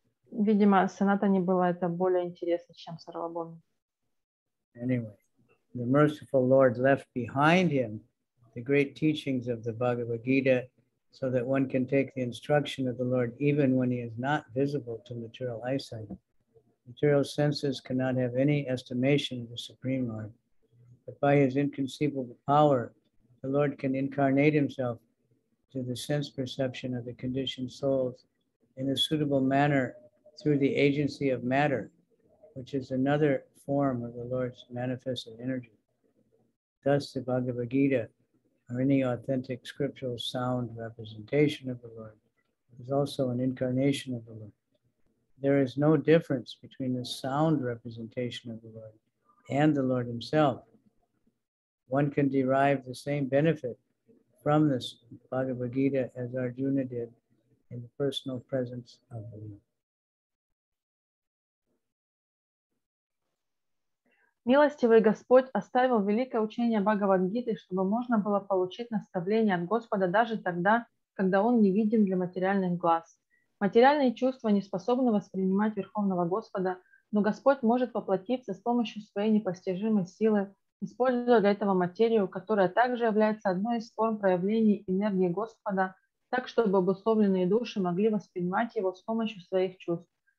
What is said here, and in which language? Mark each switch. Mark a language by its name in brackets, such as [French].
[Russian] Видимо, Санатани было это более интересно, чем Сарвабхауму. [English] Anyway, the merciful Lord left behind him the great teachings of the Bhagavad Gita, so that one can take the instruction of the Lord even when he is not visible to material eyesight. Material senses cannot have any estimation of the Supreme Lord. But by his inconceivable power, the Lord can incarnate himself to the sense perception of the conditioned souls in a suitable manner through the agency of matter, which is another form of the Lord's manifested energy. Thus, the Bhagavad Gita, or any authentic scriptural sound representation of the Lord, is also an incarnation of the Lord. There is no difference between the sound representation of the Lord and the Lord himself. One can derive the same benefit from this Bhagavad Gita as Arjuna did in the personal presence of the Lord. [Russian] Милостивый Господь оставил великое учение Бхагавад-гиты, чтобы можно было получить наставление от Господа даже тогда, когда Он не виден для материальных глаз. Материальные чувства не способны воспринимать Верховного Господа, но Господь может воплотиться с помощью своей непостижимой силы, используя для этого материю, которая также является одной из форм проявления энергии Господа, так чтобы обусловленные души могли воспринимать Его с помощью своих чувств.